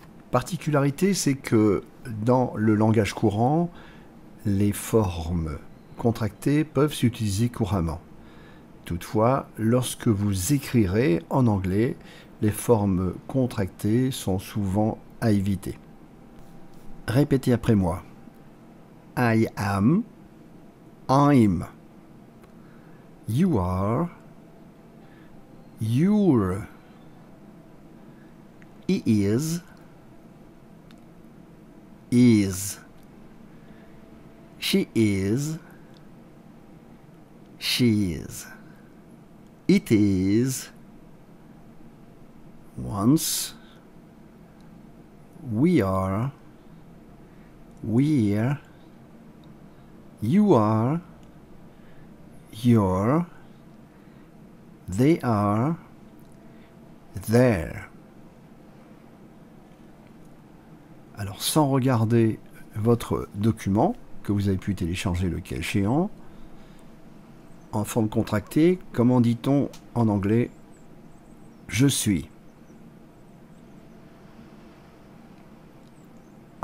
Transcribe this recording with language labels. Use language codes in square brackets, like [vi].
[fr] Particularité, c'est que dans le langage courant, les formes contractées peuvent s'utiliser couramment. Toutefois, lorsque vous écrirez en anglais, les formes contractées sont souvent à éviter. Répétez après moi. [en] I am, I'm, you are, you're, he is, is, she is, she is, it is, once, we are, we're, you are, you're, they are, there. [fr] Alors, sans regarder votre document que vous avez pu télécharger le cas échéant, en forme contractée, comment dit-on en anglais « je suis » ?